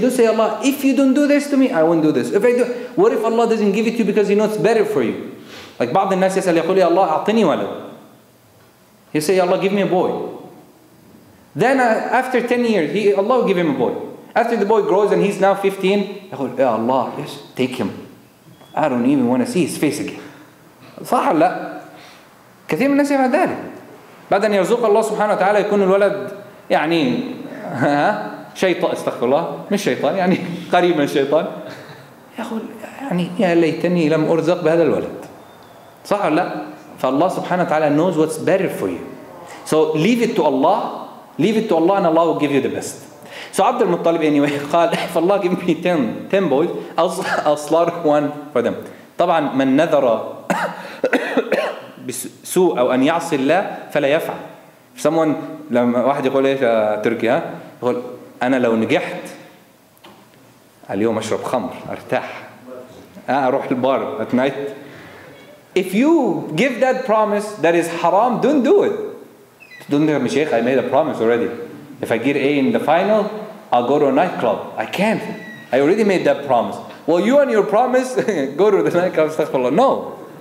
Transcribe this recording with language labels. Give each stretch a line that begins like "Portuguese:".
English: Don't say, Allah, if you don't do this to me, I won't do this. If I do, what if Allah doesn't give it to you because you know it's better for you?
Arabic: Like, بعض الناس يسأل يقول يا الله أعطني ولد.
English: He say, Ya Allah, give me a boy. Then after 10 years, Allah will give him a boy. After the boy grows and he's now 15,
Arabic: يقول, يا الله,
English: yes, take him. I don't even want to see his face again.
Arabic: صح لا؟ كثير من الناس يفعل ذلك. بعد أن يرزق الله سبحانه وتعالى يكون الولد يعني شيطان, استغفر الله, مش شيطان, يعني قريب من الشيطان, يقول يعني يا ليتني لم أرزق بهذا الولد. صح ولا لا؟ فالله سبحانه وتعالى
English: knows what's better for you. So leave it to Allah, leave it to Allah and Allah will give you the best. So عبد المطلب anyway
Arabic: قال فالله
English: give me 10 boys, I'll slaughter one for them.
Arabic: طبعا من نذر بسوء أو أن يعصي الله فلا يفعل. Someone, لما واحد يقول إيش تركي, ها, يقول أنا لو نجحت اليوم أشرب خمر أرتاح, أروح البار
English: at night. If you give that promise that is haram, don't do it. Don't tell me, Sheikh, I made a promise already. If I get A in the final, I'll go to a nightclub. I can't. I already made that promise. Well, you and your promise, go to the nightclub, astaghfirullah. No.